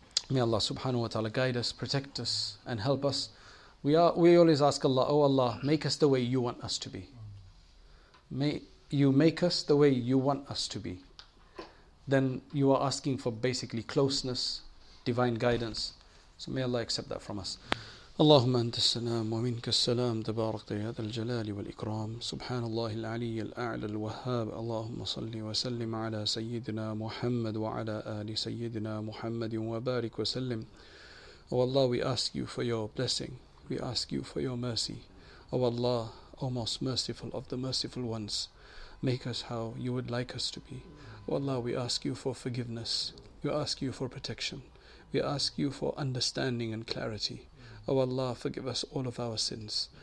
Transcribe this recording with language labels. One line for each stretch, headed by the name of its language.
English: May Allah subhanahu wa ta'ala guide us, protect us, and help us. We always ask Allah, oh Allah, make us the way you want us to be. May you make us the way you want us to be. Then you are asking for basically closeness, divine guidance. So may Allah accept that from us.
Arabic: اللهم أنت السلام ومنك السلام تبارك يا ذا الجلال والإكرام سبحان الله العلي الأعلى الوهاب اللهم صل وسلم على سيدنا محمد وعلى آل سيدنا محمد وبارك وسلم.
English: Oh Allah, we ask you for your blessing. We ask you for your mercy. Oh Allah, O most merciful of the merciful ones, make us how you would like us to be. Oh Allah, we ask you for forgiveness. We ask you for protection. We ask you for understanding and clarity. O Allah, forgive us all of our sins.